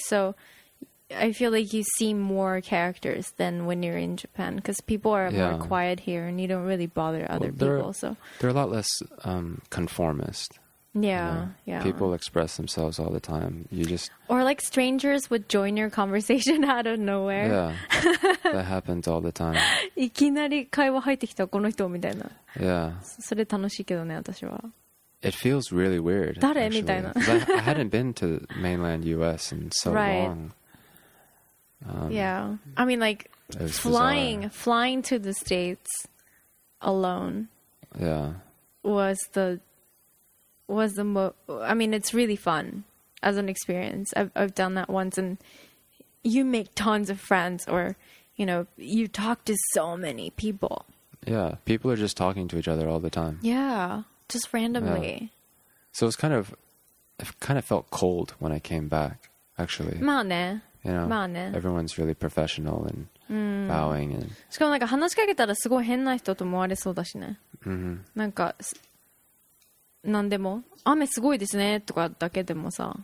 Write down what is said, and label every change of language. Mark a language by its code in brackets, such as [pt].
[en] So I feel like you see more characters than when you're in Japan, because people are more quiet here and you don't really bother other people. So they're a lot less conformist. Yeah. People express themselves all the time. You just... Or like strangers would join your conversation out of nowhere. Yeah. That happens all the time. [ja] いきなり会話入ってきたこの人みたいな。 [en] Yeah. [ja] それ楽しいけどね、私は。 [en] It feels really weird. [ja] 誰?みたいな。 [en] I hadn't been to mainland US in so long. Yeah. I mean, like flying to the States alone. Yeah. I mean, it's really fun as an experience. I've done that once, and you make tons of friends, or, you know, you talk to so many people. Yeah. People are just talking to each other all the time. Yeah. Just randomly. Yeah. So it's I kind of felt cold when I came back, actually. [ja] まあね。 [en] You know, [ja] まあね。 [en] Everyone's really professional and bowing. And... [ja] しかもなんか話しかけたらすごい変な人と思われそうだしね。 Mm-hmm. なんか、なんでも雨すごいですねとかだけでもさ、